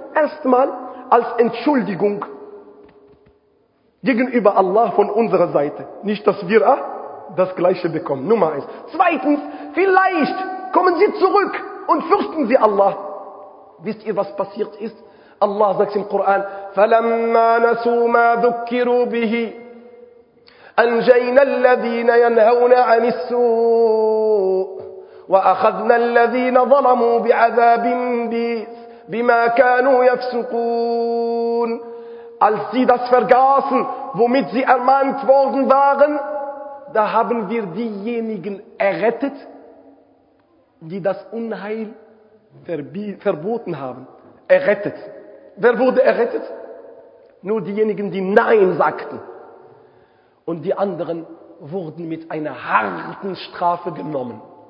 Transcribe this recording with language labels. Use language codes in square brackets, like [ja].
[de] Erstmal als Entschuldigung gegenüber Allah von unserer Seite. Nicht, dass wir das Gleiche bekommen. Nummer eins. Zweitens, vielleicht kommen sie zurück und fürchten sie Allah. Wisst ihr, was passiert ist? Allah sagt im Koran, [ar] فَلَمَّا نَسُوا مَا ذُكِّرُوا بِهِ أَنْجَيْنَا الَّذِينَ يَنْهَوْنَ عَنِ السُّوءِ وَأَخَذْنَا الَّذِينَ ظَلَمُوا بِعَذَابٍ بِمَا كَانُوا يَفْسُقُونَ. [de] Als sie das vergaßen, womit sie ermahnt worden waren, da haben wir diejenigen errettet, die das Unheil verboten haben. Errettet. Wer wurde errettet? Nur diejenigen, die Nein sagten. Und die anderen wurden mit einer harten Strafe genommen.